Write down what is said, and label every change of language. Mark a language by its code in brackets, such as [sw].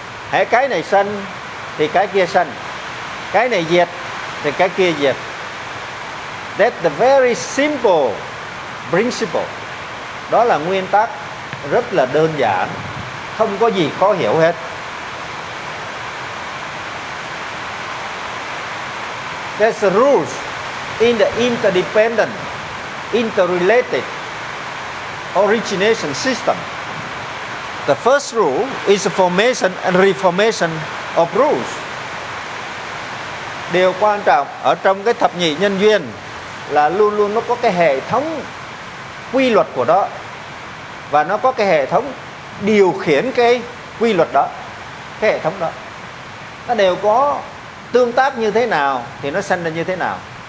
[vi] Hễ cái này sanh thì cái kia sanh, cái này diệt thì cái kia diệt. [en] That's the very simple principle. [vi] Đó là nguyên tắc rất là đơn giản, không có gì khó hiểu hết. [en] There's a rules in the interdependent, interrelated origination system. The first rule is the formation and reformation of rules. [vi] Điều quan trọng ở trong cái thập nhị nhân duyên là luôn luôn nó có cái hệ thống quy luật của đó, và nó có cái hệ thống điều khiển cái quy luật đó, cái hệ thống đó. Nó đều có tương tác như thế nào thì nó sinh ra như thế nào.